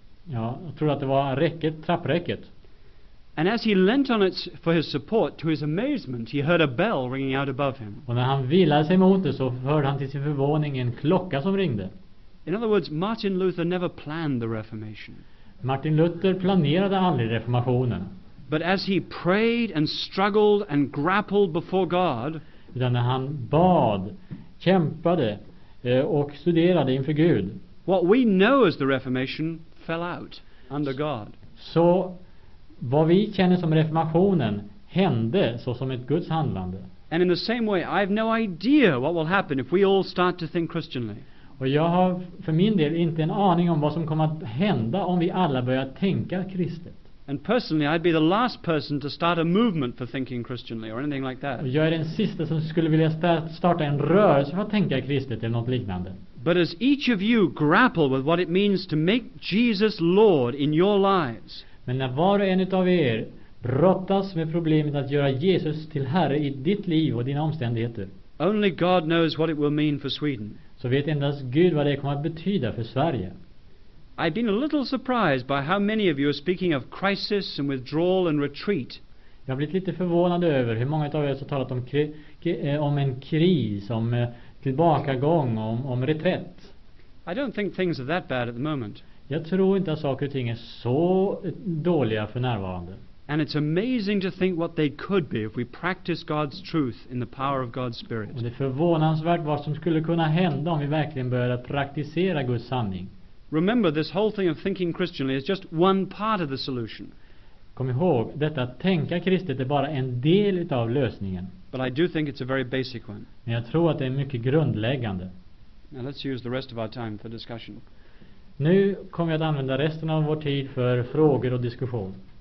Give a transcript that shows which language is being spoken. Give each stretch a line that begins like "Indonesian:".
Swedish: Ja, jag trodde att det var räcket, trappräcket.
English: And as he leant on it for his support, to his amazement, he heard a bell ringing out above him.
Swedish: Och när han vilade sig mot det så hörde han till sin förvåning en klocka som ringde.
English: In other words, Martin Luther never planned the Reformation.
Swedish: Martin Luther planerade aldrig reformationen.
English: But as he prayed and struggled and grappled before God,
Swedish: utan när han bad, kämpade och studerade inför Gud,
English: what we know as the Reformation fell out under God.
Swedish: Så vad vi känner som reformationen hände så som ett Guds handlande.
English: And in the same way, I have no idea what will happen if we all start to think Christianly.
Swedish: Och jag har för min del inte en aning om vad som kommer att hända om vi alla börjar tänka kristet.
English: And personally, I'd be the last person to start a movement for thinking Christianly or anything like that.
Swedish: Och jag är den sista som skulle vilja starta en rörelse för att tänka kristet eller något liknande.
English: But as each of you grapple with what it means to make Jesus Lord in your lives.
Swedish: Men när var och en av er brottas med problemet att göra Jesus till Herre i ditt liv och dina omständigheter.
English: Only God knows what it will mean for Sweden.
Swedish: Så vet endast Gud vad det kommer att betyda för Sverige.
English: I've been a little surprised by how many of you are speaking of crisis and withdrawal and retreat.
Swedish: Jag har blivit lite förvånad över hur många av er har talat om en kris, om tillbakagång, om reträtt.
English: I don't think things are that bad at the moment.
Swedish: Jag tror inte att saker och ting är så dåliga för närvarande.
English: And it's amazing to think what they could be if we practice God's truth in the power of God's Spirit.
Swedish: Och det är förvånansvärt vad som skulle kunna hända om vi verkligen började praktisera Guds sanning.
English: Remember, this whole thing of thinking Christianly is just one part of the solution.
Swedish: Kom ihåg, detta att tänka kristet är bara en del av lösningen.
English: But I do think it's a very basic one.
Swedish: Men jag tror att det är mycket grundläggande.
English: Now let's use the rest of our time for discussion.
Swedish: Nu kommer jag att använda resten av vår tid för frågor och diskussion.